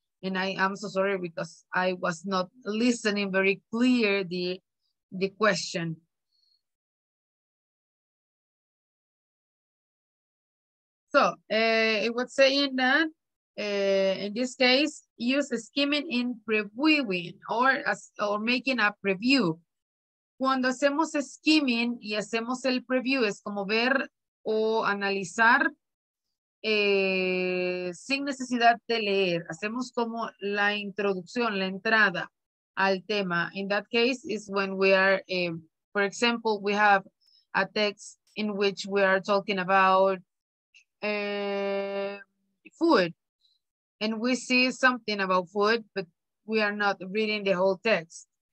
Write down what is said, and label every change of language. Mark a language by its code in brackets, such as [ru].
[en] And I am so sorry because I was not listening very clear the question. So, it was saying that in this case, use skimming in previewing or making a preview. [es] Cuando hacemos skimming y hacemos el preview, es como ver o analizar sin necesidad de leer. Hacemos como la introducción, la entrada al tema. [en] In that case, is when we are, for example, we have a text in which we are talking about food. And we see something about food, but we are not reading the whole text.